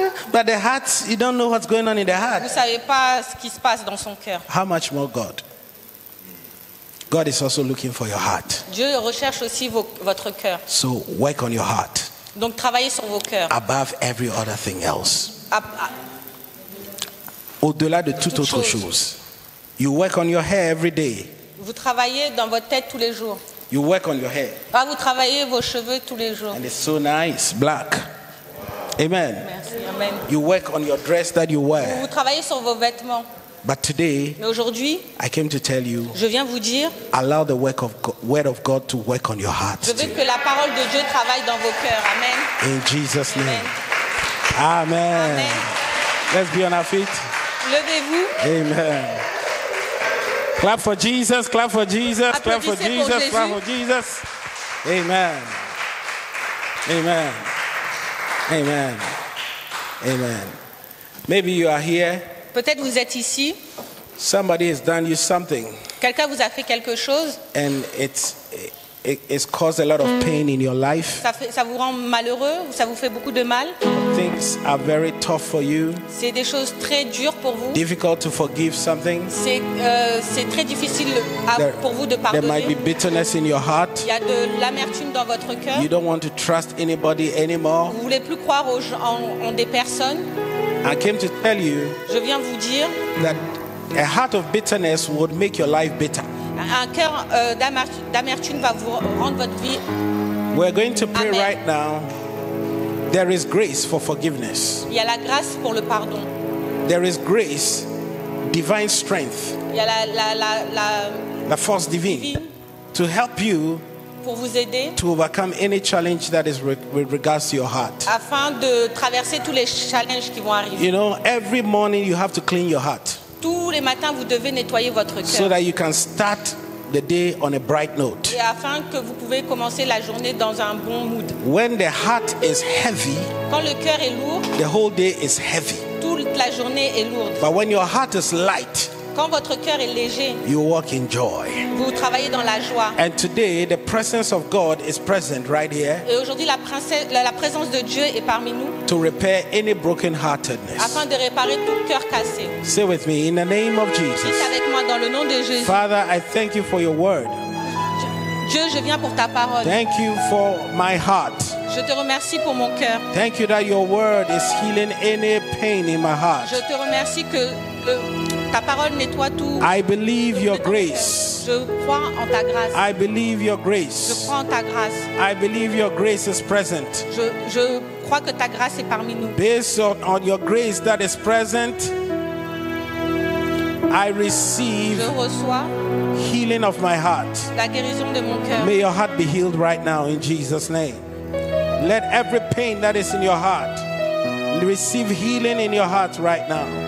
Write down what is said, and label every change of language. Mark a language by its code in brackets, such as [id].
[en] But the heart, you don't know what's going on in the heart. [fr] Vous ne savez pas ce qui se passe dans son cœur. [en] How much more God? God is also looking for your heart. [fr] Dieu recherche aussi votre cœur. [en] So work on your heart. [fr] Donc travaillez sur vos cœurs. [en] Above every other thing else. [fr] Au-delà de toute autre chose. [en] You work on your hair every day. [fr] Vous travaillez dans votre tête tous les jours. [en] You work on your hair. [fr] Ah, vous travaillez vos cheveux tous les jours. [en] And it's so nice, black. Amen. [fr] Merci. Amen. [en] You work on your dress that you wear. [fr] Vous travaillez sur vos vêtements. [en] But today, [fr] mais aujourd'hui, [en] I came to tell you, [fr] je viens vous dire, [en] allow the work of God, word of God to work on your heart. [fr] Je veux que la parole de Dieu travaille dans vos cœurs. [en] Amen. In Jesus' name. Amen. Amen. Let's be on our feet. [fr] Levez-vous. [en] Amen. Clap for Jesus, clap for Jesus, clap for Jesus, clap for Jesus. Amen. Amen. Amen. Amen. Maybe you are here. [fr] Peut-être vous êtes ici. [en] Somebody has done you something. [fr] Quelqu'un vous a fait quelque chose. [en] And it's caused a lot of pain in your life. [fr] Ça vous rend malheureux, ça vous fait beaucoup de mal. [en] Things are very tough for you. [fr] C'est des choses très dures pour vous. [en] Difficult to forgive something. [fr] C'est très difficile pour vous de pardonner. [en] There might be bitterness in your heart. [fr] Il y a de l'amertume dans votre cœur. [en] You don't want to trust anybody anymore. [fr] Vous voulez plus croire en des personnes. [en] I came to tell you. [fr] Je viens vous dire [en] that a heart of bitterness would make your life bitter. [fr] Un cœur d'amertume va vous rendre votre vie. [en] We're going to pray right now. There is grace for forgiveness. [fr] Il y a la grâce pour le pardon. [en] There is grace, divine strength. [fr] Il y a la force divine [en] to help you. [fr] Pour vous aider. [en] To overcome any challenge that is with regards to your heart. [fr] Afin de traverser tous les challenges qui vont arriver. [en] You know, every morning you have to clean your heart. [fr] Tous les matins, vous devez nettoyer votre cœur. [en] So that you can start the day on a bright note. [fr] Et afin que vous pouvez commencer la journée dans un bon mood. [en] When the heart is heavy, [fr] quand le cœur est lourd, [en] the whole day is heavy. [fr] Toute la journée est lourde. [en] But when your heart is light, [fr] quand votre cœur est léger, [en] you walk in joy. [fr] Vous travaillez dans la joie. [en] And today, the presence of God is present right here. [fr] Et aujourd'hui, la présence de Dieu est parmi nous. [en] To repair any brokenheartedness. [fr] Afin de réparer tout cœur cassé. [en] Say with me, in the name of Jesus. [fr] Dites avec moi dans le nom de Jésus. [en] Father, I thank you for your word. [fr] Dieu, je viens pour ta parole. [en] Thank you for my heart. [fr] Je te remercie pour mon cœur. [en] Thank you that your word is healing any pain in my heart. [fr] Je te remercie que ta parole nettoie tout. [en] I believe your grace. [fr] Je crois en ta grâce. [en] I believe your grace. [fr] Je crois en ta grâce. [en] I believe your grace is present. [fr] Je crois que ta grâce est parmi nous. [en] Based on your grace that is present, I receive healing of my heart. [fr] La guérison de mon cœur. [en] May your heart be healed right now in Jesus' name. Let every pain that is in your heart receive healing in your heart right now.